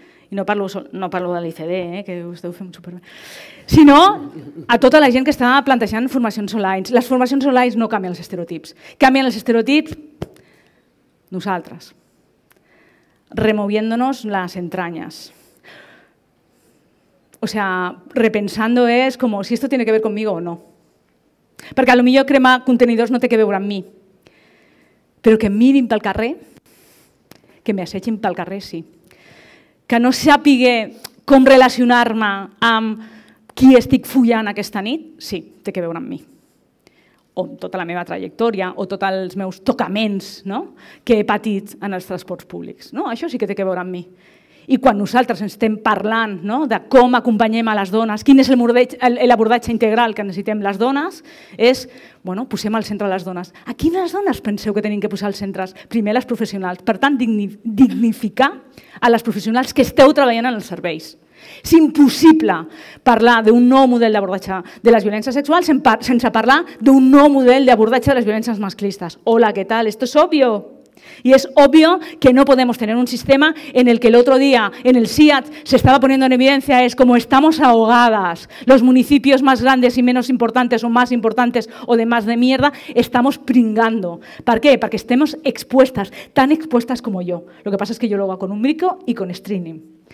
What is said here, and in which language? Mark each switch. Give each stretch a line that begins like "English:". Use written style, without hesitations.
Catalan: I no parlo de l'ICD, que ho esteu fent superbé, sinó a tota la gent que està plantejant formacions online. Les formacions online no canvien els estereotips. Canvien els estereotips nosaltres, removiéndonos les entranyes.
Spanish: O sea, repensando es como si esto tiene que ver conmigo o no.
Catalan: Perquè a lo millor crema contenidors no té que veure amb mi. Però que mirin pel carrer, que me assegin pel carrer, sí. Que no sàpiga com relacionar-me amb qui estic follant aquesta nit, sí, té que veure amb mi. O tota la meva trajectòria, o tots els meus tocaments, no?, que he patit en els transports públics. No, això sí que té que veure amb mi. I quan nosaltres estem parlant, no?, de com acompanyem a les dones, quin és l'abordatge integral que necessitem les dones, és, bueno, posem al centre les dones. A quines dones penseu que tenim que posar al centre? Primer, les professionals. Per tant, dignificar a les professionals que esteu treballant en els serveis. És impossible parlar d'un nou model d'abordatge de les violències sexuals sense parlar d'un nou model d'abordatge de les violències masclistes. Hola, què tal?
Spanish: Esto es obvio. Y es obvio que no podemos tener un sistema en el que el otro día en el SIAT se estaba poniendo en evidencia, es como estamos ahogadas, los municipios más grandes y menos importantes o más importantes o de más de mierda, estamos pringando. ¿Por qué? Porque estemos expuestas, tan expuestas como yo. Lo que pasa es que yo lo hago con un micro y con streaming.